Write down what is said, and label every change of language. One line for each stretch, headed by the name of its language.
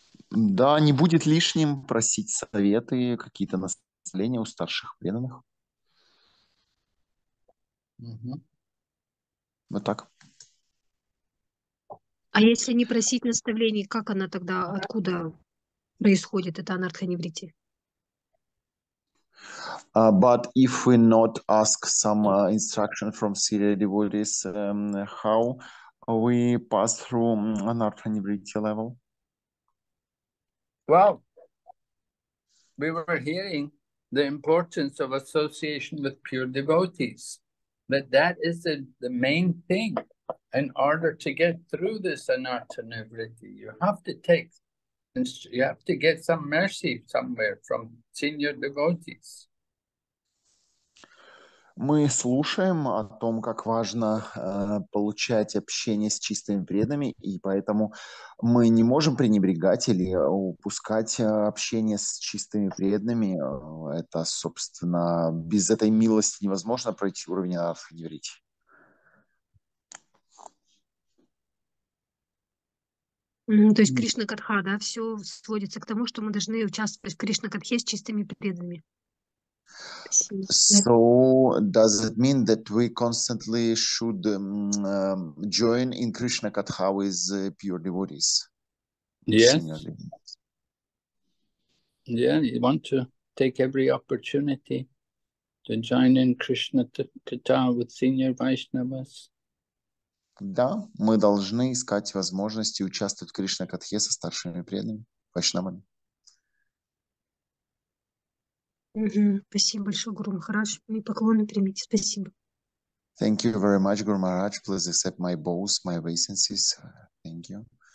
Russian: Да, не будет лишним просить советы, какие-то наставления у старших преданных. Вот так. А если не просить наставлений, как она тогда, откуда происходит эта анартханиврити?
English: But if we not ask some instruction from senior devotees, how we pass through anarthanivritti level? Well, we were hearing the importance of association with pure devotees, but that is the main thing. In order to get through this anarthanivritti, you have to take, you have to get some mercy somewhere from senior devotees.
Russian: Мы слушаем о том, как важно получать общение с чистыми преданными, и поэтому мы не можем пренебрегать или упускать общение с чистыми преданными. Это, собственно, без этой милости невозможно пройти уровень анархидеврити. То есть Кришна-катха, да, все сводится к тому, что мы должны участвовать в Кришна-катхе с чистыми преданными.
English: So does it mean that we constantly should join in Krishna Katha with pure devotees? Yes. Yeah, you want to take every opportunity to join in Krishna Katha with senior Vaishnavas.
Russian: Да, мы должны искать возможности участвовать в Кришна Катхе со старшими преданными, Вайшнавами. Спасибо большое, Гуру Махарадж. Мои поклоны примите. Спасибо.
English: Thank you very much, Guru Maharaj. Please accept my bows, my obeisances. Thank you.